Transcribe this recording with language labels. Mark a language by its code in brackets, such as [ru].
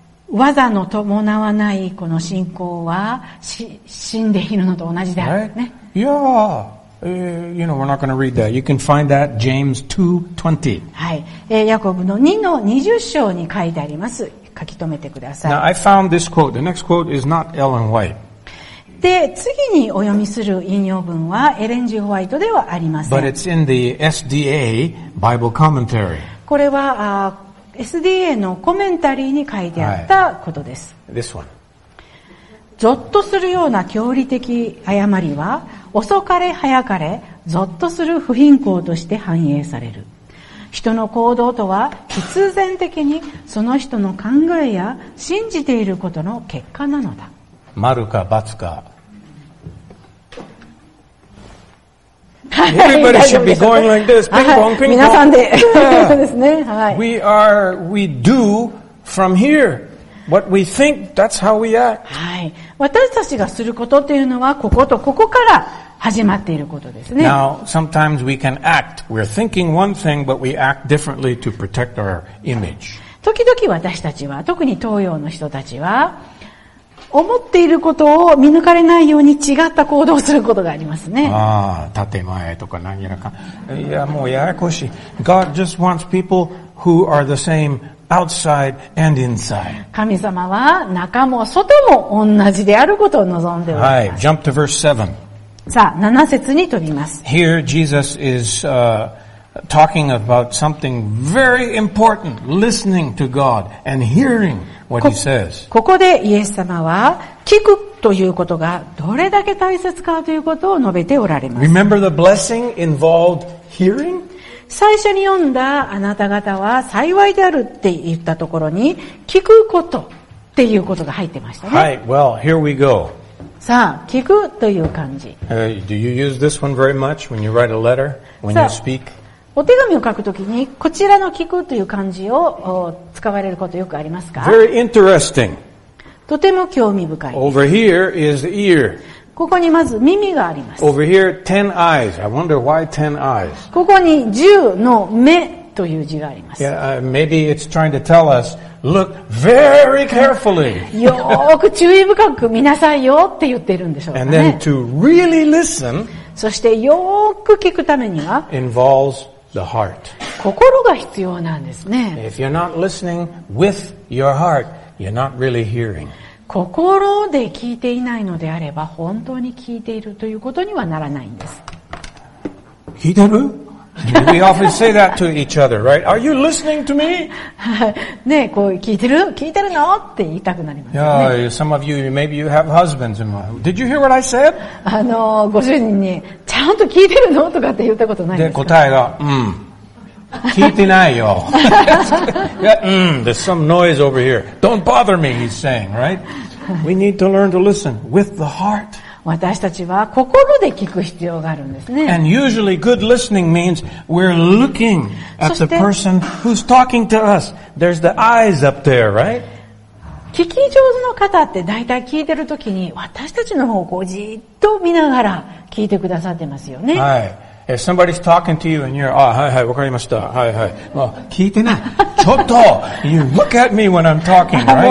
[ja] 技の伴わないこの信仰は死んでいるのと同じだ、 [en] right? [ja] ね。 [en] Yeah, you know, we're not going to read that. You can find that James 2:20. [ja] はい、ヤコブの2の20章に書いてあります。書き留めてください。 [en] Now I found this quote. The next quote is not Ellen White. [ja] で次にお読みする引用文はエレン・ジー・ホワイトではありません。 [en] But it's in the SDA Bible commentary. [ja] これは SDA のコメンタリーに書いてあったことです。 [en] This one. [ja] ゾッとするような教理的誤りは遅かれ早かれゾッとする不品行として反映される。人の行動とは必然的にその人の考えや信じていることの結果なのだ。丸か×か。 [en] Everybody should be going like this, ping pong, ping pong. [ja] 皆さんで。ですね。はい。 [en] We do from here. What we think, that's how we act. [ja] はい。私たちがすることっていうのは、こことここから始まっていることですね。 [en] Now, sometimes we can act. We're thinking one thing, but we act differently to protect our image. [ja] 時々私たちは、特に東洋の人たちは、思っていることを見抜かれないように違った行動をすることがありますね。ああ、建前とか何やらか。いや、もうややこしい。 [en] God just wants people who are the same outside and inside. [ja] 神様は中も外も同じであることを望んでおります。 [en] はい、jump to verse 7. [ja] さあ、7節に飛びます。 [en] Here Jesus is, talking about something very important, listening to God and hearing. [ja] ここでイエス様は聞くということがどれだけ大切かということを述べておられます。 [en] Remember the blessing involved hearing? [ja] 最初に読んだあなた方は幸いであるって言ったところに聞くことっていうことが入ってましたね。 [en] はい、well, here we go. [ja] さあ、聞くという漢字。 [en] Do you use this one very much when you write a letter, when you speak? [ja] お手紙を書くときにこちらの聞くという漢字を使われることよくありますか? [en] Very interesting. [ja] とても興味深いです。 [en] Over here is ear. [ja] ここにまず耳があります。 [en] Over here, ten eyes. I wonder why ten eyes. [ja] ここに十の目という字があります。 [en] Yeah, maybe it's trying to tell us, look very carefully. [ja] よく注意深く見なさいよって言ってるんでしょうかね。 [en] And then to really listen, [ja] そしてよーく聞くためには [en] involves the heart. [ja] 心が必要なんですね。 [en] If you're not listening with your heart, you're not really hearing. [ja] 心で聞いていないのであれば本当に聞いているということにはならないんです。聞いてる? [en] We often say that to each other, right? Are you listening to me? [ja] ね、こう聞いてる？聞いてるの？って言いたくなりますよね。 [en] Yeah, some of you, maybe you have husbands in mind. Did you hear what I said? [ja] ご主人にちゃんと聞いてるの？とかって言ったことないですか？で、答えが、うん。聞いてないよ。 [en] Yeah, there's some noise over here. Don't bother me, he's saying, right? We need to learn to listen with the heart. [ja] 私たちは心で聞く必要があるんですね。 [en] And usually good listening means we're looking at the person who's talking to us. There's the eyes up there, right? [ja] 聞き上手の方って大体聞いてるときに私たちの方をじっと見ながら聞いてくださってますよね。 [en] はい。If somebody's talking to you and you're, ah, [ja] はいはい、わかりました。はいはい。まあ、聞いてない。ちょっと [en] !You look at me when I'm talking, right?